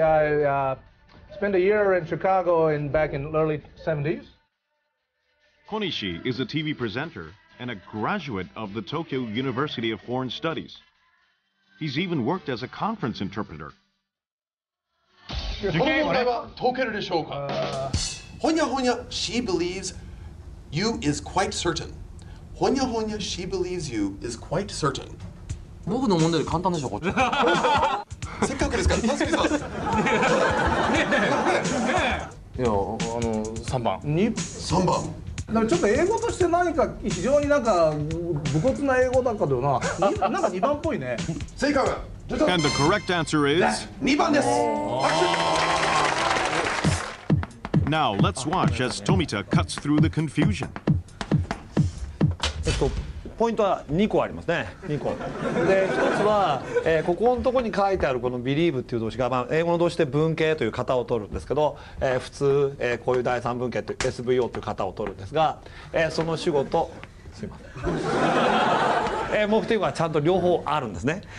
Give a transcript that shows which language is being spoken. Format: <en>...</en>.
<en>I spent a year in Chicago and back in the early 70s. Konishi is a TV presenter and a graduate of the Tokyo University of Foreign Studies. He's even worked as a conference interpreter.</en> <ja>この問題は解けるでしょうか。ほにゃほにゃ</ja> <en>she believes you is quite certain.</en> <ja>ほにゃほにゃ</ja> <en>she believes you is quite certain。</en> <ja>僕の問題より簡単でしょ、こっち。せっかくですから、助けてます。いや、3番。 3番。ちょっと英語として何か非常になんか無骨な英語なんかだよな。なんか2番っぽいね。正解は。</ja> <en>And the correct answer is</en> <ja>2番です。</ja> <en>Now let's watch as Tomita cuts through the confusion.</en> <ja>ポイントは2個ありますね。2個で1つは、ここのところに書いてあるこの believe っていう動詞が、まあ、英語の動詞で文型という型を取るんですけど、普通、こういう第三文型という SVO という型を取るんですが、その主語とすいません、目的語がちゃんと両方あるんですね。</ja>